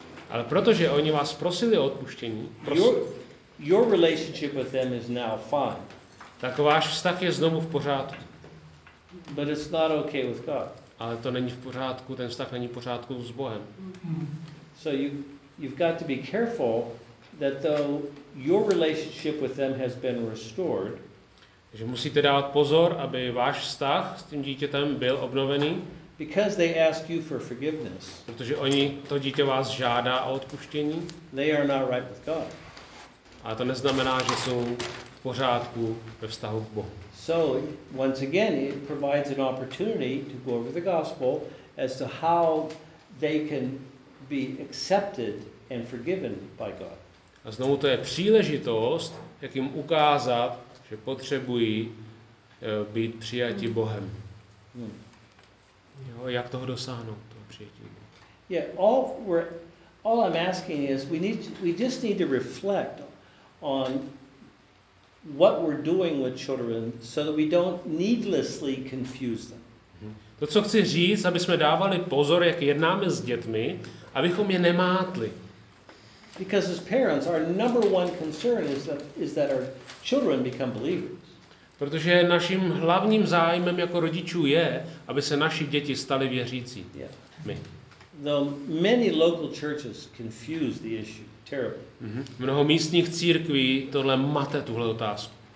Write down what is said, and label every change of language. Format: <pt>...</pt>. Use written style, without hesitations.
<cs>Ale protože oni vás prosili o odpuštění.</cs> <en>Your relationship with them is now fine.</en> <cs>Tak váš vztah je znovu v pořádku.</cs> <en>But it's not okay with God.</en> <cs>Ale to není v pořádku, ten vztah není v pořádku s Bohem.</cs> <en>So you've got to be careful that though your relationship with them has been restored,</en> <cs>že musíte dávat pozor, aby váš vztah s tím dítětem byl obnovený,</cs> <en>because they ask you for forgiveness,</en> <cs>protože oni to dítě vás žádá o odpuštění,</cs> <en>they are not right with God.</en> <cs>A to neznamená, že jsou v pořádku ve vztahu k Bohu.</cs> <en>So once again, it provides an opportunity to go over the gospel as to how they can be accepted and forgiven by God.</en> <cs>A znovu to je příležitost, jak jim ukázat, že potřebují být přijati Bohem. Jo, jak toho dosáhnout, toho přijetí?</cs> <en>Yeah, all I'm asking is we just need to reflect on what we're doing with children so that we don't needlessly confuse them.</en> <cs>To, co chci říct, aby jsme dávali pozor, jak jednáme s dětmi, abychom je nemátli.</cs> <en>Because as parents, our number one concern is that our children become believers.</en> <cs>Protože naším hlavním zájmem jako rodičů je, aby se naši děti staly věřící.</cs> <en>Yeah. Though many local churches confuse the issue terribly.</en> <cs>Mnoho místních církví tohle mate, tuhle otázku.</cs>